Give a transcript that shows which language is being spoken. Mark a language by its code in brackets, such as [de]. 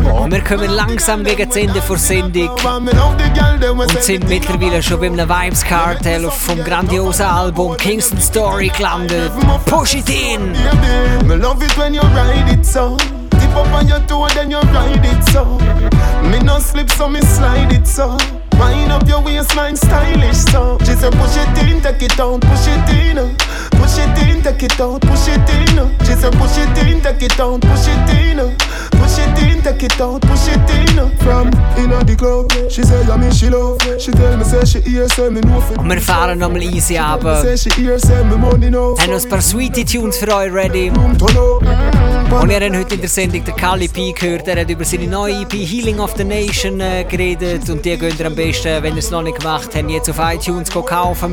[de] Wir kommen langsam gegen das Ende vor Sendung. Und sind mittlerweile schon beim Vibes-Kartell vom grandiosen Album Kingston Story gelandet. [en] Push it in! Me love it when you ride it so. Tip up on your toe and then you ride it so. Me no slip so me slide it so. Wind up your waistline stylish so. She said push it in, take it out, push it in. Push it in, take it out, push it in. She said push it in, take it out, push it in. Push it in, take it out, push it in. From inna the club, she say yeah me she love. She tell me say she hear say me no fit. [de] Wir fahren nochmal easy ab. Haben uns ein paar [en] sweetie Tunes [de] für euch ready. Und ihr habt heute in der Sendung den Kali P gehört. Er hat über seine neue EP Healing of the Nation geredet. Und die gönnt ihr am besten, wenn ihr es noch nicht gemacht habt, jetzt auf iTunes kaufen.